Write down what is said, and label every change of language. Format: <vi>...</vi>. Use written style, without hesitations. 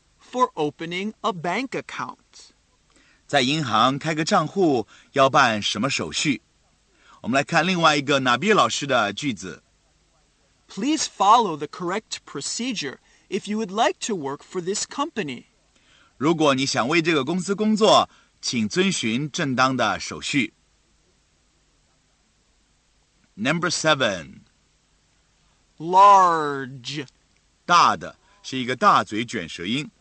<en>For opening a bank account.</en> <zh>在银行开个账户要办什么手续？我们来看另外一个 Nabeer 老师的句子。</zh> <en>Please follow the correct procedure if you would like to work for this company.</en> <zh>如果你想为这个公司工作，请遵循正当的手续。</zh> <en>Number 7. Large.</en> <zh>大的，是一个大嘴卷舌音。</zh>